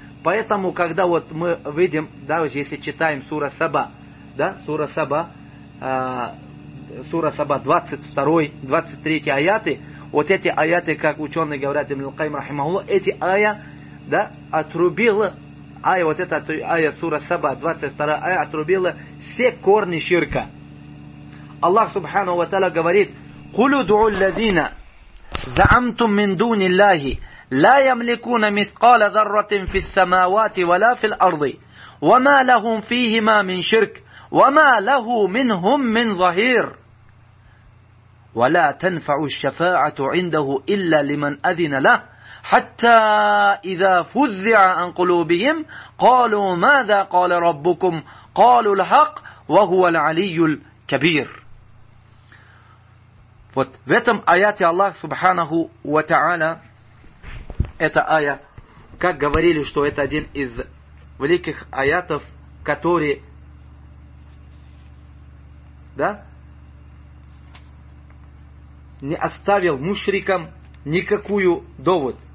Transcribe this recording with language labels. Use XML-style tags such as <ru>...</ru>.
<ru>Поэтому, когда вот мы видим, да, если читаем сура Саба, да, сура Саба 22, 23 аяты, вот эти аяты, как ученые говорят, Ибн аль-Кайм рахимахуллах, эти ая, да, отрубила, ая, вот эта ая сура Саба, 22 ая, отрубила все корни ширка. Аллах Субхану ва Тааля говорит:</ru> <ar>«Кулю дуу ллазина заамтум мин дуни Аллахи». لا يملكون مثقال ذرة في السماوات ولا في الأرض وما لهم فيهما من شرك وما له منهم من ظهير ولا تنفع الشفاعة عنده إلا لمن أذن له حتى إذا فزع عن قلوبهم قالوا ماذا قال ربكم قالوا الحق وهو العلي الكبير.</ar> <ru>Вот в этом аяте Аллах Субханаху ва Тааля, это ая, как говорили, что это один из великих аятов, который, да, не оставил мушрикам никакую довод.</ru>